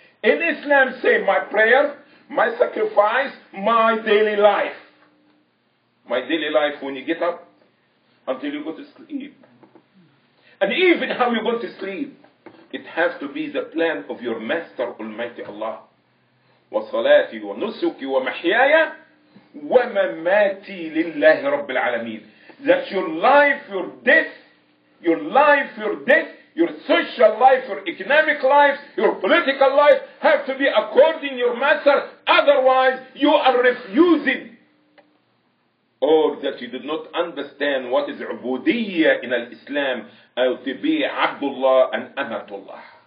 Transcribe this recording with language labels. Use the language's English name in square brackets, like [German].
[English] In Islam, say, my prayer, my sacrifice, my daily life. My daily life when you get up until you go to sleep. And even how you go to sleep, it has to be the plan of your master, Almighty Allah. [Arabic] وصلاتي ونسكي ومحياي ومماتي لله رب العالمين. [English] That your life, your death, your social life, your economic life, your political life have to be according to your master. Otherwise, you are refusing. Or that you did not understand what is ubudiyya in Islam, to be Abdullah and Amatullah.